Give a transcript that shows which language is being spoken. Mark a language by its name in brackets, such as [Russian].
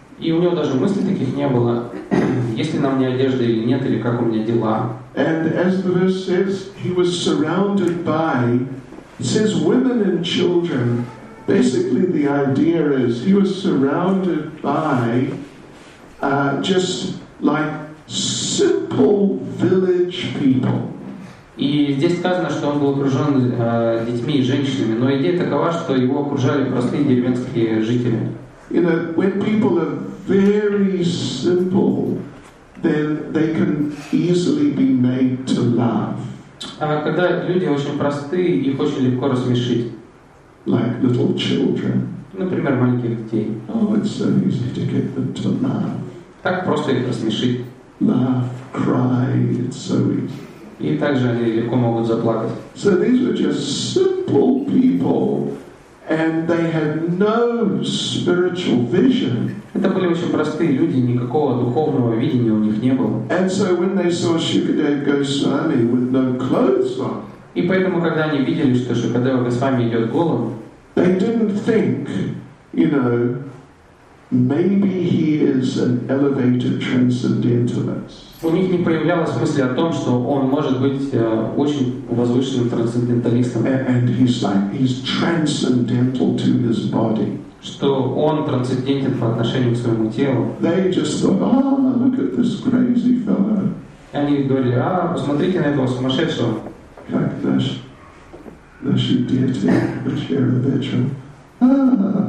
[Russian] И у него даже мыслей таких не было, есть ли на мне одежда или нет, или как у меня дела. [English] And as the verse says, he was surrounded by, it says women and children. Basically the idea is he was surrounded by just like simple village people. [Russian] И здесь сказано, что он был окружен детьми и женщинами, но идея такова, что его окружали простые деревенские жители. [English] You know, when people are very simple, then they can easily be made to laugh. [Russian] Когда люди очень простые, их очень легко рассмешить. [English] Like little children. [Russian] Например, маленьких детей. [English] Oh, it's so easy to get them to laugh. [Russian] Так просто их рассмешить. [English] Laugh, cry, it's so easy. [Russian] И также они легко могут заплакать. [English] So these were just simple people. And they had no spiritual vision. [Russian] Это были очень простые люди, никакого духовного видения у них не было. [English] And so when they saw Shukadeva Goswami with no clothes on, [Russian] и поэтому когда они видели, что Шукадева Госвами идет голым, [English] they didn't think, you know, maybe he is an elevated transcendentalist. [Russian] У них не появлялось мысли о том, что он может быть очень возвышенным трансценденталистом. [English] And he's like, he's transcendental to his body. [Russian] Что он трансцендентен по отношению к своему телу. [English] They just thought, oh, look at this crazy fellow. [Russian] И они говорили, а, посмотрите на этого сумасшедшего. Как наш дети, [Hindi] Бачара Бача.